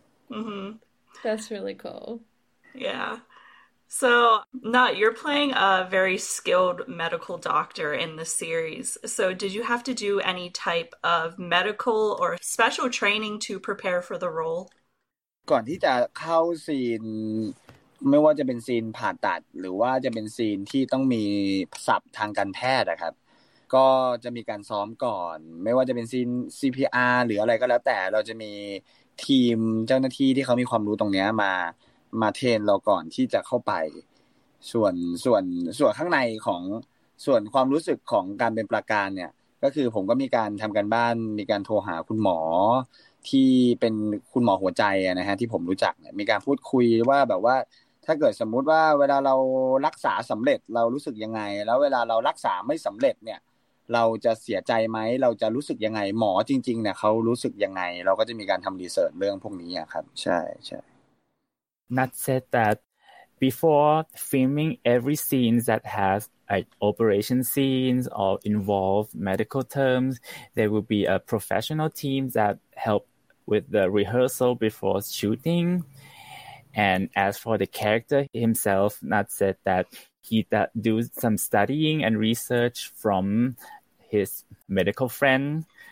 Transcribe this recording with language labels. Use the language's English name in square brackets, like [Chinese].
[English] Mm-hmm. That's really cool. Yeah. So, Nat, you're playing a very skilled medical doctor in the series. So, did you have to do any type of medical or special training to prepare for the role? [Thai] ก่อนที่จะเข้าซีนไม่ว่าจะเป็นซีนผ่าตัดหรือว่าจะเป็นซีนที่ต้องมีศัพท์ทางการแพทย์นะครับก็จะมีการซ้อมก่อนไม่ว่าจะเป็นซีน CPR หรืออะไรก็แล้วแต่เราจะมีทีมเจ้าหน้าที่ที่เขามีความรู้ตรงนี้มาเทรนเราก่อนที่จะเข้าไป ส่วนข้างในของส่วนความรู้สึกของการเป็นประการเนี่ยก็คือผมก็มีการทำการบ้านมีการโทรหาคุณหมอที่เป็นคุณหมอหัวใจนะฮะที่ผมรู้จักมีการพูดคุยว่าแบบว่าถ้าเกิดสมมุติว่าเวลาเรารักษาสําเร็จเรารู้สึกยังไงแล้วเวลาเรารักษาไม่สําเร็จเนี่ยเราจะเสียใจมั้ยเราจะรู้สึกยังไงหมอจริงๆเนี่ยเค้ารู้สึกยังไงเราก็จะมีการทํารีเสิร์ชเรื่องพวกนี้อ่ะครับใช่ [English] Nat said that before filming every scene that has like operation scenes or involve medical terms there will be a professional team that help with the rehearsal before shootingAnd as for the character himself, Nat said that he do some studying and research from his medical friend.